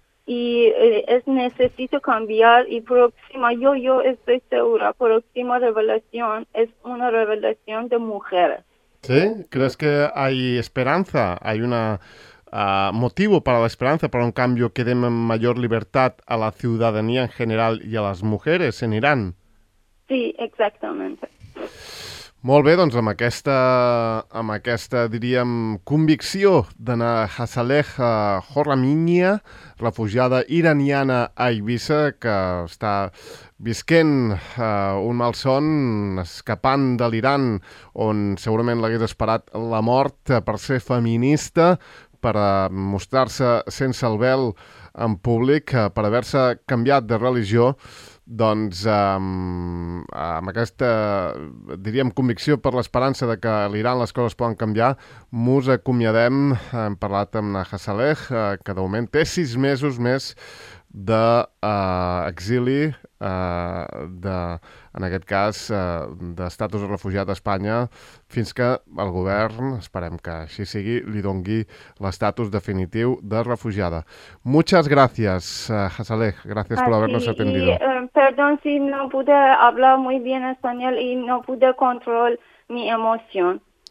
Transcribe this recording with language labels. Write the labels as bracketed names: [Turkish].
[Spanish] Y es necesito cambiar y próxima, yo estoy segura, próxima revelación es una revelación de mujeres. ¿Sí? ¿Crees que hay esperanza? ¿Hay un motivo para la esperanza, para un cambio que dé mayor libertad a la ciudadanía en general y a las mujeres en Irán? Sí, exactamente. [Catalan] Molt bé, doncs amb aquesta diríem, convicció d'anar Hasaleh Horraminia, refugiada iraniana a Eivissa, que està visquent un malson, escapant de l'Iran, on segurament l'hagués esperat la mort per ser feminista, per mostrar-se sense el vel en públic, per haver-se canviat de religió, doncs amb aquesta, diríem, convicció per l'esperança de que a l'Iran les coses poden canviar, mos acomiadem. Hem parlat amb Hasaleh, que de moment té 6 mesos més d'exili, en aquest cas, d'estatus de refugiat a Espanya, fins que el govern, esperem que així sigui, li dongui l'estatus definitiu de refugiada. [Spanish] Muchas gracias, Hasaleh. Gracias por habernos atendido. Perdón si no pude hablar muy bien español y no pude controlar mi emoción.